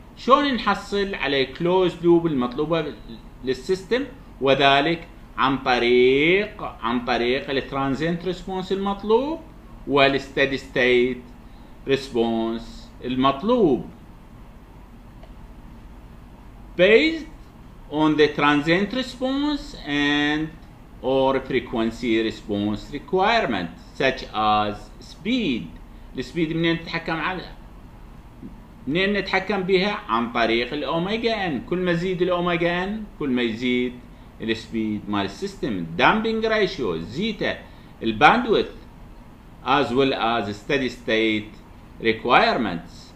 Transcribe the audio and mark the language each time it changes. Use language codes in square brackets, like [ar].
[ar] شلون نحصل على الكلوزد لوب المطلوبة للسيستم؟ وذلك عن طريق الترانزينت ريسبونس المطلوب والستدي ستيت ريسبونس المطلوب. [en] Based on the transient response and or frequency response requirement such as speed. [ar] السبيد منين نتحكم عليها؟ منين نتحكم بها؟ عن طريق الاوميجا ان. كل ما يزيد الاوميجا ان كل ما يزيد السبيد مال السيستم. [en] Damping ratio zeta الباندويث as well as steady state requirements.